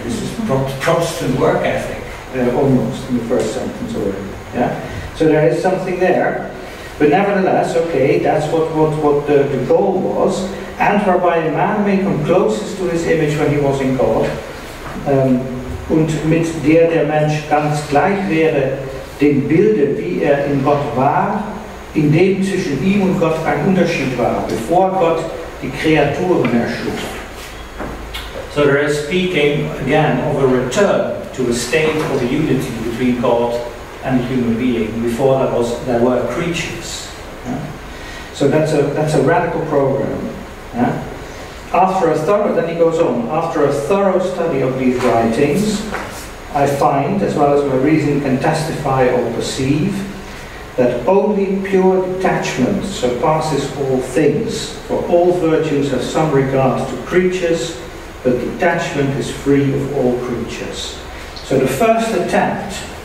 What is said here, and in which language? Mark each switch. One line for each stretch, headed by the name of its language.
English: This is Protestant work ethic, almost in the first sentence already. Yeah, so there is something there, but nevertheless, okay, that's what the goal was, and whereby a man may come closest to his image when he was in God.
German: Und mit der Mensch ganz gleich wäre. Dem Bilde, wie in Gott war, in dem zwischen ihm und Gott ein Unterschied war, bevor Gott die Kreaturen erschuf.
English: So there is speaking again of a return to a state of a unity between God and the human being before there were creatures. Yeah? So that's a radical program. Yeah? After a thorough study of these writings, I find, as well as my reason can testify or perceive, that only pure detachment surpasses all things, for all virtues have some regard to creatures, but detachment is free of all creatures. So the first attempt